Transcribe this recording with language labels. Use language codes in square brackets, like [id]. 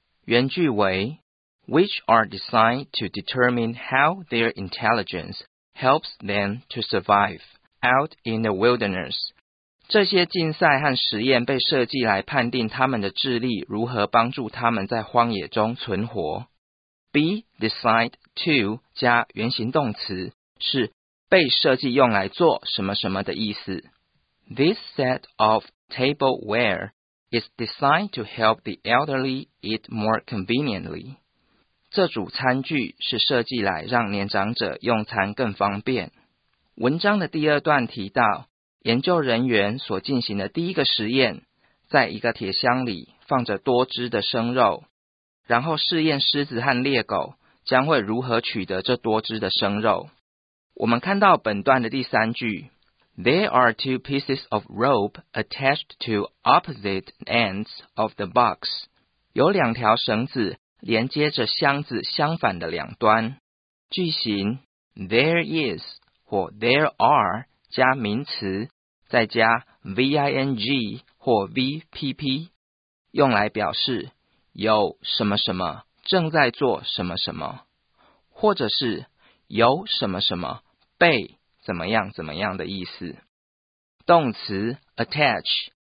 [zh] 原句为 [en] Which are designed to determine how their intelligence helps them to survive out in the wilderness. [zh] 这些竞赛和实验被设计来判定他们的智力如何帮助他们在荒野中存活。 Be designed to 加原形动词是被设计用来做什么什么的意思。 [en] This set of tableware is designed to help the elderly eat more conveniently. [zh] 这组餐具是设计来让年长者用餐更方便。文章的第二段提到，研究人员所进行的第一个实验，在一个铁箱里放着多只的生肉，然后试验狮子和猎狗将会如何取得这多只的生肉。我们看到本段的第三句 [en] There are two pieces of rope attached to opposite ends of the box. [zh] 有两条绳子连接着箱子相反的两端。句型 there is 或 there are 加名词再加 ving 或 vpp 用来表示有什么什么正在做什么什么或者是有什么什么被怎么样怎么样的意思。动词 attach